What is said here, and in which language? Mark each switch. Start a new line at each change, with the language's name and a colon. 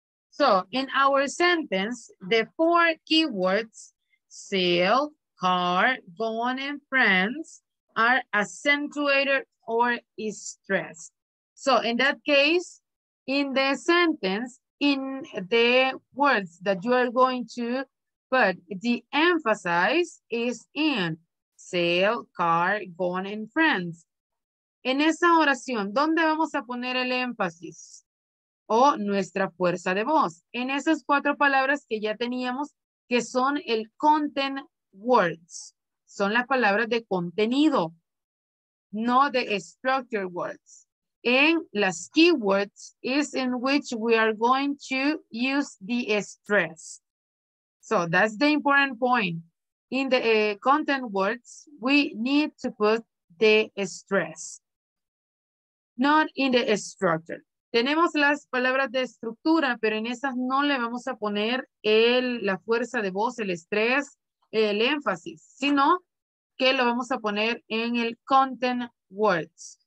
English: So in our sentence, the four keywords, sale, car, gone, and friends, are accentuated or stressed. So in that case, in the sentence, in the words that you are going to put, the emphasis is in sale, car, gone, and friends.
Spanish: En esa oración, ¿dónde vamos a poner el énfasis? O nuestra fuerza de voz. En esas cuatro palabras que ya teníamos, que son el content words. Son las palabras de contenido, no de structure words.
English: And las keywords is in which we are going to use the stress. So that's the important point. In the content words, we need to put the stress, not in the structure.
Spanish: Tenemos las palabras de estructura, pero en esas no le vamos a poner la fuerza de voz, el estrés, el énfasis, sino que lo vamos a poner en el content words.